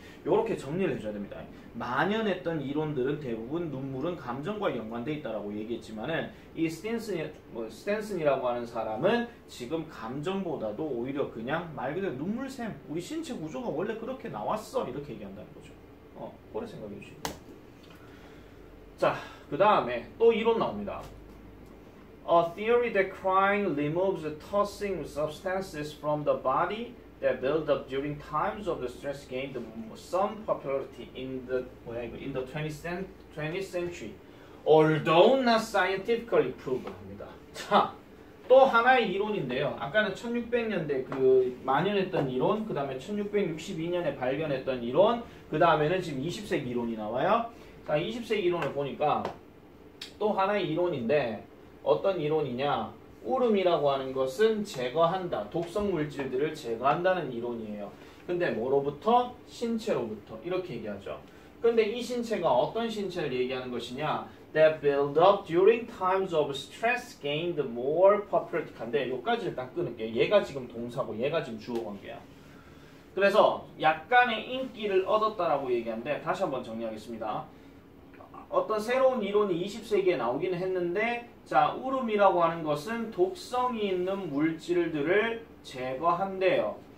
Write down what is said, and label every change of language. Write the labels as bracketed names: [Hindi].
[Korean] 요렇게 정리를 해줘야 됩니다. 만연했던 이론들은 대부분 눈물은 감정과 연관되어 있다라고 얘기했지만은, 이 스탠슨이라고 하는 사람은 지금 감정보다도 오히려 그냥 말 그대로 눈물샘, 우리 신체 구조가 원래 그렇게 나왔어. 이렇게 얘기한다는 거죠. 그걸 생각해 주시고. 자, 그 다음에 또 이론 나옵니다. [English] A theory that crying removes tossing substances from the body that build up during times of the stress gained some popularity in the 20th century. Although not scientifically proved [Korean] 합니다. 자, 또 하나의 이론인데요. 아까는 1600년대 그 만연했던 이론, 그 다음에 1662년에 발견했던 이론, 그 다음에는 지금 20세기 이론이 나와요. 자, 20세기 이론을 보니까 또 하나의 이론인데, 어떤 이론이냐? 울음이라고 하는 것은 제거한다. 독성 물질들을 제거한다는 이론이에요. 근데 뭐로부터? 신체로부터. 이렇게 얘기하죠. 근데 이 신체가 어떤 신체를 얘기하는 것이냐? [English] That build up during times of stress gained more popularity. [Korean] 근데 여기까지를 딱 끊을게요. 얘가 지금 동사고 얘가 지금 주어 관계야. 그래서 약간의 인기를 얻었다라고 얘기하는데, 다시 한번 정리하겠습니다. 어떤 새로운 이론이 20세기에 나오기는 했는데, 자, 울음이라고 하는 것은 독성이 있는 물질들을 제거한대요.